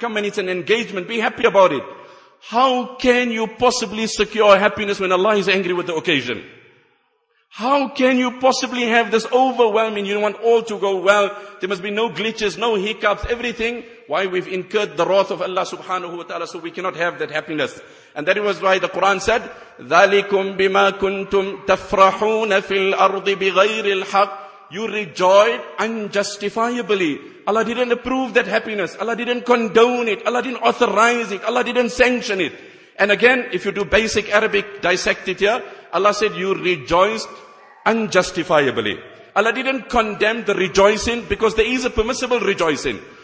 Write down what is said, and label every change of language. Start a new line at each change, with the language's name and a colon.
English: Come and it's an engagement. Be happy about it. How can you possibly secure happiness when Allah is angry with the occasion? How can you possibly have this overwhelming, you want all to go well, there must be no glitches, no hiccups, everything. Why? We've incurred the wrath of Allah subhanahu wa ta'ala, so we cannot have that happiness. And that was why the Quran said,
Arabic: ذَلِكُمْ بِمَا كُنْتُمْ تَفْرَحُونَ فِي الْأَرْضِ بِغَيْرِ الْحَقِّ.
English: You rejoiced unjustifiably. Allah didn't approve that happiness. Allah didn't condone it. Allah didn't authorize it. Allah didn't sanction it. And again, if you do basic Arabic, dissect it here, Allah said, you rejoiced unjustifiably. Allah didn't condemn the rejoicing, because there is a permissible rejoicing.